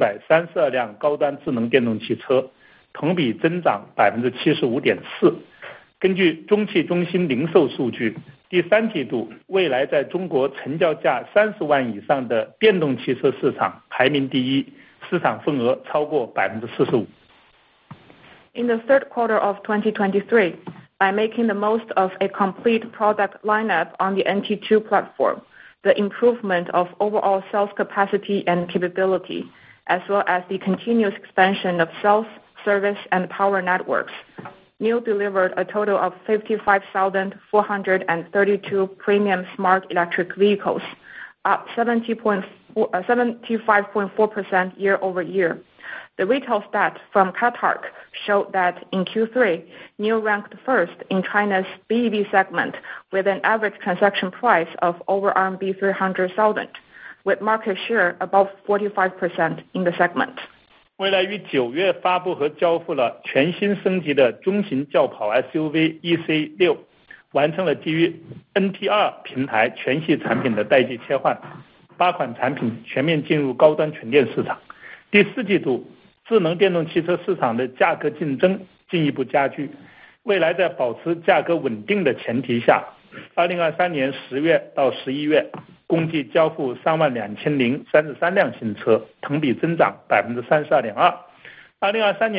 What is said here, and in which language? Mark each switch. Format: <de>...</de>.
<zh>2023年第三季度得益于未来产品组合的完善,整体销能的提升,销售服务和补能网络的持续扩展,未来共计交付55,432辆高端智能电动汽车。同比增长75.4%。根据中汽中心零售数据,第三季度未来在中国成交价30万以上的电动汽车市场排名第一,市场份额超过45%。In</zh> <en>the third quarter of 2023, by making the most of a complete product lineup on the NT2 platform, the improvement of overall sales capacity and capability, as well as the continuous expansion of sales, service and power networks, Nio delivered a total of 55,432 premium smart electric vehicles, up 75.4% year over year. The retail stat from Catark showed that in Q3, Nio ranked first in China's BEV segment with an average transaction price of over RMB 300,000, with market share above 45% in the segment.</en> <zh>未来于9月发布和交付了全新升级的中型轿跑 SUV EC6, 完成了基于 NT2 平台全系产品的代际切换，八款产品全面进入高端纯电市场。第四季度，智能电动汽车市场的价格竞争进一步加剧。未来在保持价格稳定的前提下， 2023年10月到11月，共计交付30,033辆新车，同比增长32.2%。</zh>